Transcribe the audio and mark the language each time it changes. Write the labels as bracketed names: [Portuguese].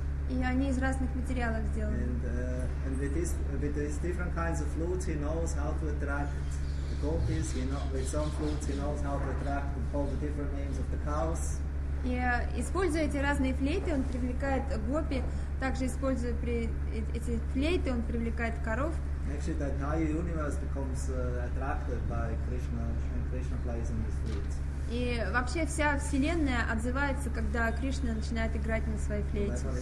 [Russian] И они из разных материалов сделаны. [English] And with these different kinds of flutes, he knows how to attract the gopis. You know, with some flutes, he knows how to attract all the different names of the cows. [Russian] И используя эти разные флейты, он привлекает гопи. Также используя эти флейты, он привлекает коров. [English] Actually, the entire universe becomes attracted by Krishna when Krishna plays on his flutes. [Russian] И вообще вся вселенная отзывается, когда Кришна начинает играть на своей флейте.